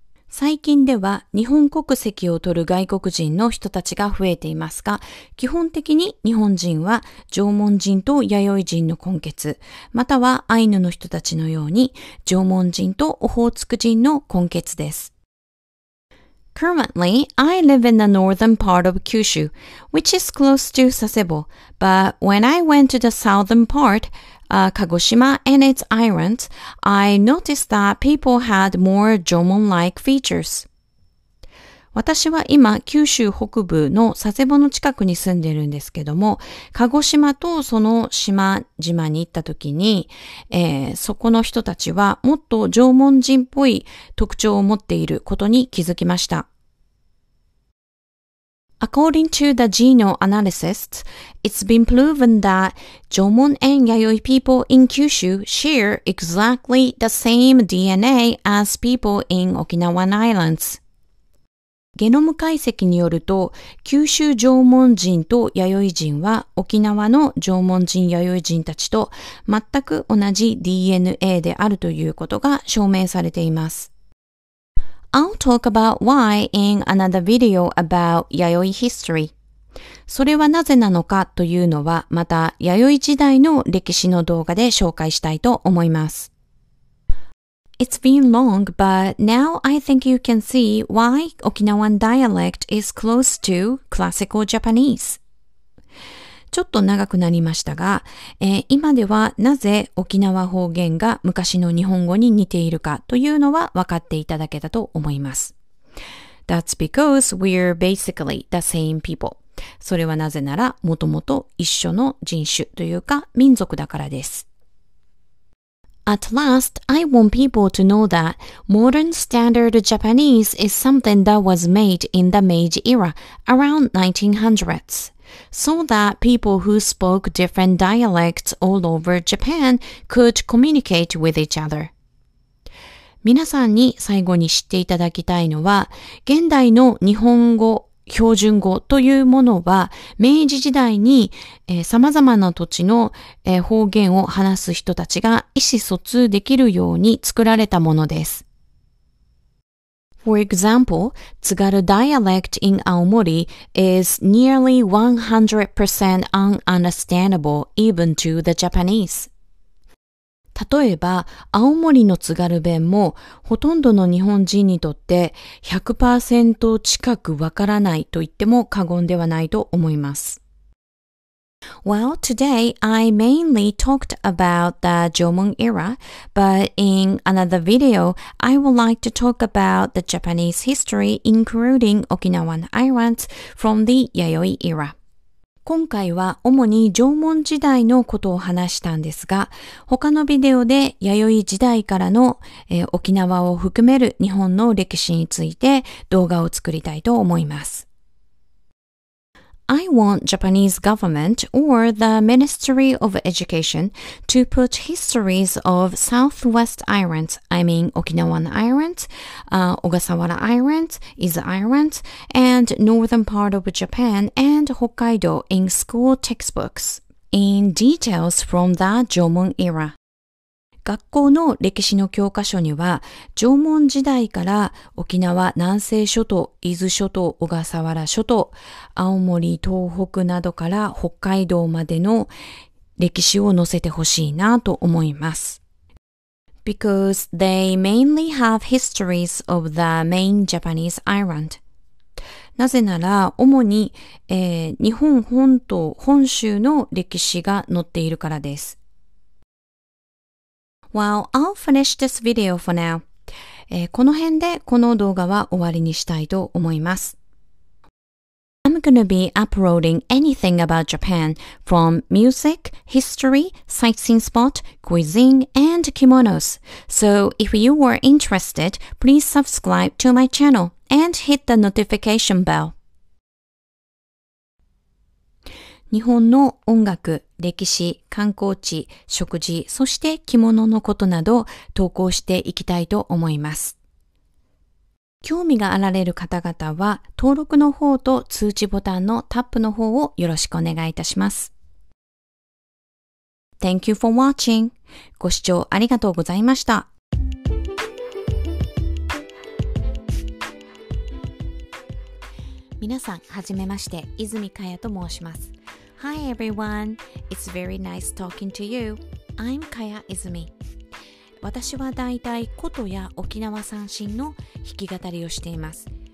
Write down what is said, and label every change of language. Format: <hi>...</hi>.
<ja>最近では日本国籍を取る外国人の人たちが増えていますが、基本的に日本人は縄文人と弥生人の混血、またはアイヌの人たちのように縄文人とオホーツク人の混血です。</ja> <en>Currently, I live in the northern part of Kyushu, which is close to Sasebo. But when I went to the southern part, Kagoshima and its islands, I noticed that people had more Jomon-like features.</en> <ja>私は今、九州北部の佐世保の近くに住んでいるんですけども、鹿児島とその島々に行った時に、そこの人たちはもっと縄文人っぽい特徴を持っていることに気づきました。</ja> <en>According to the genome analysis, it's been proven that Jomon and Yayoi people in Kyushu share exactly the same DNA as people in Okinawan Islands.</en> <ja>ゲノム解析によると、九州縄文人と弥生人は沖縄の縄文人弥生人たちと全く同じ DNA であるということが証明されています。</ja> <en>I'll talk about why in another video about 弥生 history.</en> <ja>それはなぜなのかというのは、また弥生時代の歴史の動画で紹介したいと思います。</ja> <en>It's been long, but now I think you can see why Okinawan dialect is close to classical Japanese.</en> <ja>ちょっと長くなりましたが、今ではなぜ沖縄方言が昔の日本語に似ているかというのは分かっていただけたと思います。</ja> <en>That's because we're basically the same people.</en> <ja>それはなぜならもともと一緒の人種というか民族だからです。</ja> <en>At last, I want people to know that modern standard Japanese is something that was made in the Meiji era, around 1900s, so that people who spoke different dialects all over Japan could communicate with each other.</en> <ja>皆さんに最後に知っていただきたいのは、現代の日本語、標準語というものは、明治時代に、様々な土地の、方言を話す人たちが意思疎通できるように作られたものです。</ja> <en>For example, 津軽 dialect in Aomori is nearly 100% ununderstandable even to the Japanese.</en> <ja>例えば、青森の津軽弁もほとんどの日本人にとって 100% 近くわからないと言っても過言ではないと思います。</ja> <en>Well, today I mainly talked about the Jomon era, but in another video, I would like to talk about the Japanese history, including Okinawan islands from the Yayoi era.</en> <ja>今回は主に縄文時代のことを話したんですが、他のビデオで弥生時代からの、沖縄を含める日本の歴史について動画を作りたいと思います。</ja> <en>I want Japanese government or the Ministry of Education to put histories of Southwest Islands, I mean Okinawan Islands, Ogasawara Islands, Izu Islands, and northern part of Japan and Hokkaido in school textbooks in details from the Jomon era.</en> <ja>学校の歴史の教科書には、縄文時代から沖縄南西諸島、伊豆諸島、小笠原諸島、青森、東北などから北海道までの歴史を載せてほしいなと思います。</ja> <en>Because they mainly have histories of the main Japanese island.</en> <ja>なぜなら、主に、日本本島、本州の歴史が載っているからです。</ja> <en>Well, I'll finish this video for now.</en> <ja>この辺でこの動画は終わりにしたいと思います。</ja> <en>I'm gonna be uploading anything about Japan from music, history, sightseeing spot, cuisine, and kimonos. So if you are interested, please subscribe to my channel and hit the notification bell.</en> <ja>日本の音楽、歴史、観光地、食事、そして着物のことなど投稿していきたいと思います。興味があられる方々は登録の方と通知ボタンのタップの方をよろしくお願いいたします。</ja> <en>Thank you for watching.</en> <ja>ご視聴ありがとうございました。皆さん、はじめまして、泉かやと申します。</ja> <en>Hi everyone, it's very nice talking to you. I'm Kaya Izumi.</en> <ja>私はだいたい琴や沖縄三線の弾き語りをしています。</ja>